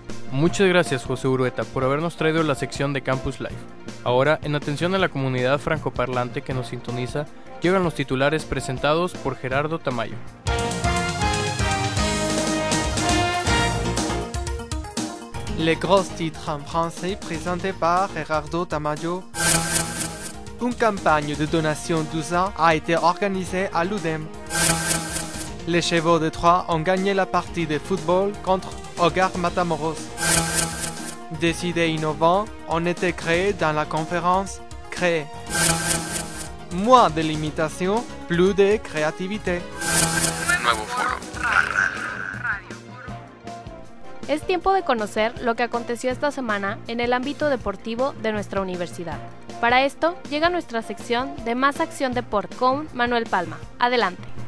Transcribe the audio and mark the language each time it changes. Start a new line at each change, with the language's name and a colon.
Spanish: Muchas gracias, José Urueta, por habernos traído la sección de Campus Life. Ahora, en atención a la comunidad francoparlante que nos sintoniza, llegan los titulares presentados por Gerardo Tamayo.
French: Les gros titres en français présentés par Gerardo Tamayo. Une campagne de donation d'usin a été organisée à l'UDEM. Les chevaux de Troyes ont gagné la partie de football contre Hogar Matamoros. Des idées innovantes ont été créées dans la conférence Créer. Moins de limitations, plus de créativité. Nouveau foro.
Spanish: Es tiempo de conocer lo que aconteció esta semana en el ámbito deportivo de nuestra universidad. Para esto, llega nuestra sección de Más Acción Deport con Manuel Palma. Adelante.